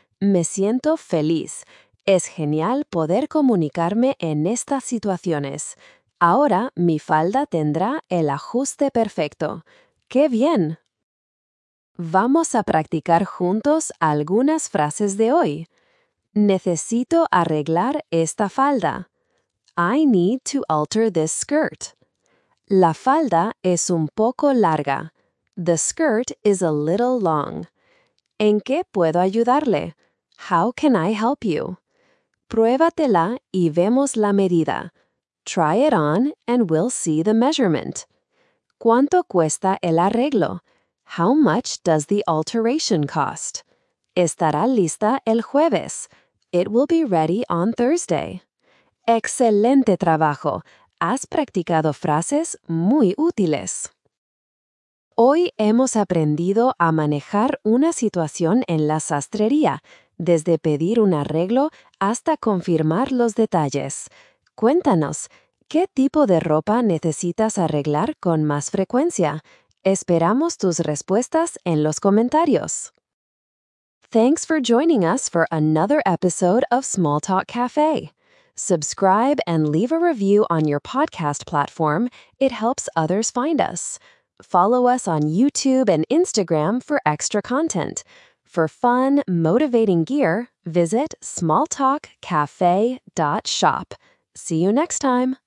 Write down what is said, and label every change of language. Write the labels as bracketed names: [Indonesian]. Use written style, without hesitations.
[Spanish] Me siento feliz. Es genial poder comunicarme en estas situaciones. Ahora mi falda tendrá el ajuste perfecto. ¡Qué bien! Vamos a practicar juntos algunas frases de hoy. Necesito arreglar esta falda. [English] I need to alter this skirt. [Spanish] La falda es un poco larga. [English] The skirt is a little long. [Spanish] ¿En qué puedo ayudarle? [English] How can I help you? [Spanish] Pruébatela y vemos la medida. [English] Try it on and we'll see the measurement. [Spanish] ¿Cuánto cuesta el arreglo? [English] How much does the alteration cost? [Spanish] Estará lista el jueves. [English] It will be ready on Thursday. [Spanish] ¡Excelente trabajo! Has practicado frases muy útiles. Hoy hemos aprendido a manejar una situación en la sastrería, desde pedir un arreglo hasta confirmar los detalles. Cuéntanos, ¿qué tipo de ropa necesitas arreglar con más frecuencia? Esperamos tus respuestas en los comentarios. [English] Thanks for joining us for another episode of Small Talk Cafe. Subscribe and leave a review on your podcast platform. It helps others find us. Follow us on YouTube and Instagram for extra content. For fun, motivating gear, visit smalltalkcafe.shop. See you next time.